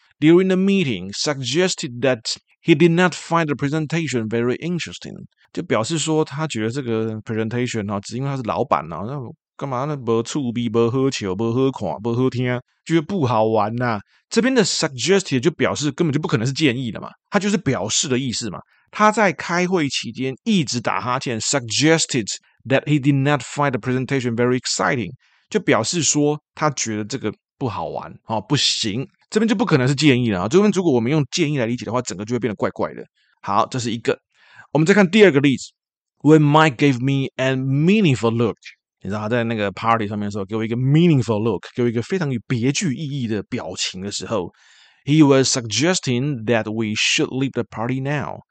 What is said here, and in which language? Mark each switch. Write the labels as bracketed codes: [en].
[en] During the meeting, suggested that he did not find the presentation very interesting. [zh] 就表示说他觉得这个 presentation 啊，只因为他是老板啊，那干嘛呢？没趣味，没好笑，没好看，没好听，觉得不好玩呐。这边的 suggested 就表示根本就不可能是建议的嘛，他就是表示的意思嘛。他在开会期间一直打哈欠 [en] ，suggested that he did not find the presentation very exciting. [zh] 就表示说他觉得这个不好玩啊，不行。这边就不可能是建议了啊！这边如果我们用建议来理解的话，整个就会变得怪怪的。好，这是一个。我们再看第二个例子 ， [en] When Mike gave me a meaningful look， [zh] 你知道他在那个 party 上面的时候，给我一个 meaningful look， 给我一个非常有别具意义的表情的时候 ， [en] He was suggesting that we should leave the party now。